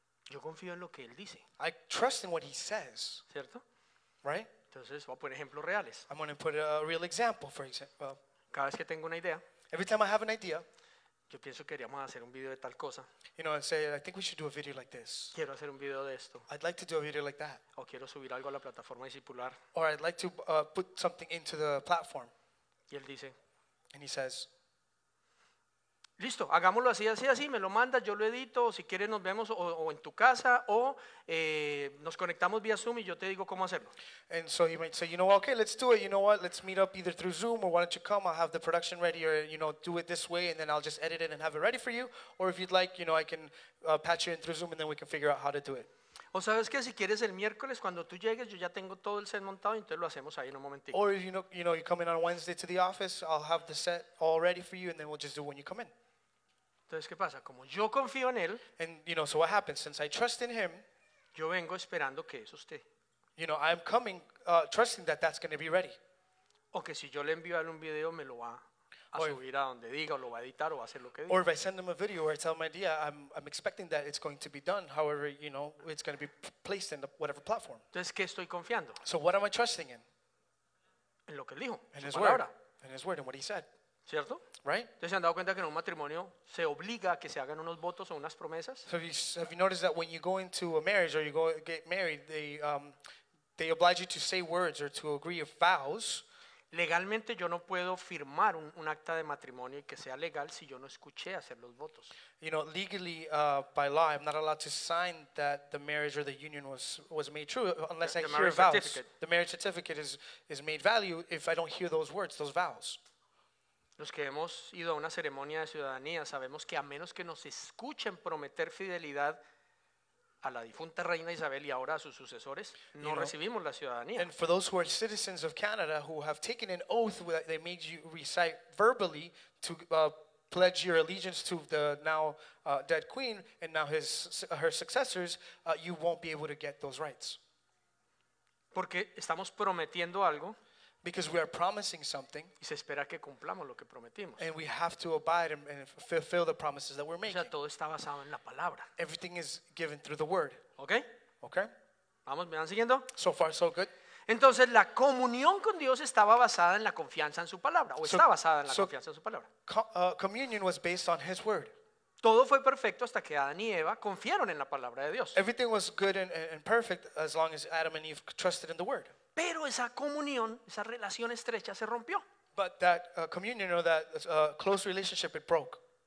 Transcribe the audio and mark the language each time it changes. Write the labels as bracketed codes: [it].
[es] Yo confío en lo que él dice. [en] I trust in what he says. [es] ¿Cierto? [en] Right? [es] Entonces, voy a poner ejemplos reales. [en] I'm going to put a real example, for example. [es] Cada vez que tengo una idea, [en] every time I have an idea, [es] yo pienso que queríamos hacer un video de tal cosa. [en] You know, I say, I think we should do a video like this. [es] Quiero hacer un video de esto. [en] I'd like to do a video like that. [es] O quiero subir algo a la plataforma discipular. [en] Or I'd like to put something into the platform. [es] Y él dice, [en] and he says, [es] listo, hagámoslo así, así, así, me lo mandas, yo lo edito, si quieres nos vemos o en tu casa o nos conectamos vía Zoom y yo te digo cómo hacerlo. [en] And so he might say, you know what, okay, let's do it, you know what, let's meet up either through Zoom or why don't you come, I'll have the production ready or, you know, do it this way and then I'll just edit it and have it ready for you. Or if you'd like, you know, I can patch you in through Zoom and then we can figure out how to do it. [es] O sabes que si quieres el miércoles cuando tú llegues yo ya tengo todo el set montado y entonces lo hacemos ahí en un momentito. [en] Or if you know, you come in on Wednesday to the office, I'll have the set all ready for you and then we'll just do it when you come in. [es] Entonces, ¿qué pasa? Como yo confío en él, [en] and, you know, so what happens? Since I trust in him, [es] yo vengo esperando que es usted. [en] You know, I'm coming, trusting that that's going to be ready. [es] O que si yo le envío a él un video, me lo va a subir a donde diga, o lo va a editar, o va a hacer lo que diga. [en] Or if I send him a video or I tell him an idea, I'm expecting that it's going to be done. However, you know, it's going to be placed in the, whatever platform. [es] Entonces, ¿qué estoy confiando? [en] So what am I trusting in? [es] En lo que él dijo, en su palabra. [en] In his word, and what he said. [es] ¿Cierto? [en] Right? [es] Entonces, ¿se han dado cuenta que en un matrimonio se obliga a que se hagan unos votos o unas promesas? [en] So have you noticed that when you go into a marriage or you go get married, they oblige you to say words or to agree of vows? [es] Legalmente yo no puedo firmar un acta de matrimonio y que sea legal si yo no escuché hacer los votos. [en] You know, legally, by law, I'm not allowed to sign that the marriage or the union was made true unless I hear vows. The marriage certificate is made valid if I don't hear those words, those vows. [es] Los que hemos ido a una ceremonia de ciudadanía sabemos que a menos que nos escuchen prometer fidelidad a la difunta reina Isabel y ahora a sus sucesores, no, [en] you know, [es] recibimos la ciudadanía. [en] And for those who are citizens of Canada who have taken an oath that they made you recite verbally to pledge your allegiance to the now dead queen and now her successors, you won't be able to get those rights. [es] Porque estamos prometiendo algo. [en] Because we are promising something. [es] Y se espera que cumplamos lo que prometimos. [en] And we have to abide and fulfill the promises that we're making. [es] O sea, todo está basado en la palabra. [en] Everything is given through the word. Okay. Okay. [es] Vamos, ¿me van siguiendo? [en] So far, so good. [es] Entonces, la comunión con Dios estaba basada en la confianza en su palabra. O está basada en la confianza en su palabra. [en] Communion was based on his word. [es] Todo fue perfecto hasta que Adán y Eva confiaron en la palabra de Dios. [en] Everything was good and perfect as long as Adam and Eve trusted in the word. [es] Pero esa comunión, esa relación estrecha se rompió. [en] But that communion or that close relationship, it broke.